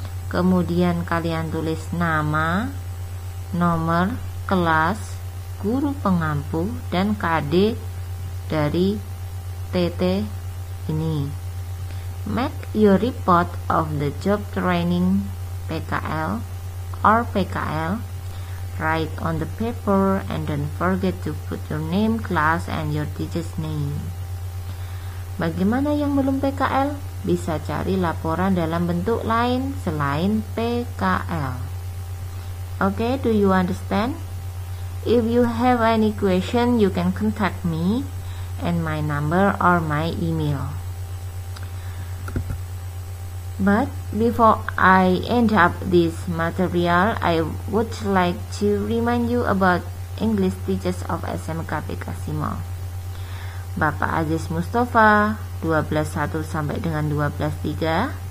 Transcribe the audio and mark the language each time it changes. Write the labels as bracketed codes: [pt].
[id] Kemudian kalian tulis nama, nomor, kelas, guru pengampu, dan KD dari TT ini. [en] Make your report of the job training PKL or PKL. Write on the paper and don't forget to put your name, class, and your teacher's name. [id] Bagaimana yang belum PKL? Bisa cari laporan dalam bentuk lain selain PKL. [en] Okay, do you understand? If you have any question, you can contact me and my number or my email. But before I end up this material, I would like to remind you about English teachers of SMK Pekasimo. [id] Bapak Aziz Mustafa, 12.1 sampai dengan 12.3.